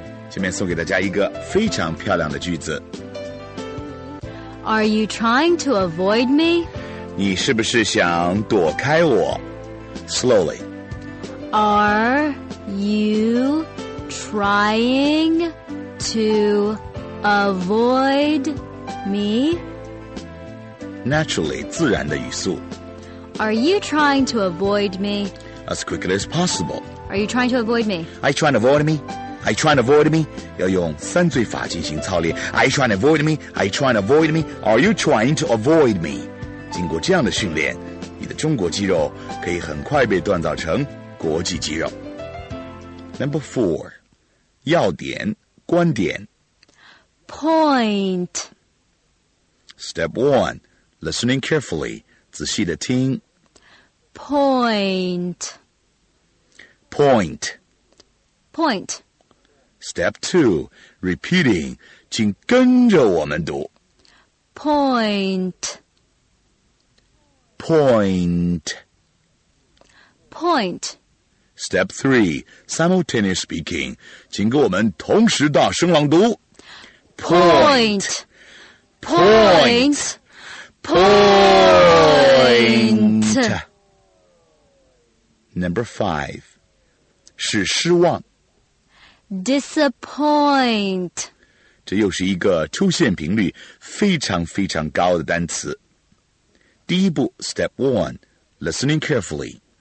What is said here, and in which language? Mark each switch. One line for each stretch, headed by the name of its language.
Chinese: 下面送给大家一个非常漂亮的句子。
English: Are you trying to avoid me?
Chinese: 你是不是想躲开我？Slowly.
English: Are you trying to avoid me?
Chinese: Naturally, 自然的语速。
English: Are you trying to avoid me? As quickly as possible. Are you trying to avoid me? I trying to avoid me? I trying to avoid me?
Chinese: 要用三嘴法进行操练。
English: I trying to avoid me? I trying to avoid me? Are you trying to avoid me?
Chinese: 经过这样的训练，你的中国肌肉可以很快被锻造成国际肌肉。 Number 4, 要点，观点。
English: Point. Step 1, listening carefully,
Chinese: 仔细地听。
English: Point. Point. Point. Step 2, repeating,
Chinese: 请跟着我们读。
English: Point. Point. Point. Step 3, simultaneous speaking,
Chinese: 请跟我们同时大声朗读。
English: Point. Point. Point.
Chinese: Number 5. 是失望。
English: Disappoint.
Chinese: 这又是一个出现频率非常非常高的单词。第一步
English: ,Step 1, listening carefully.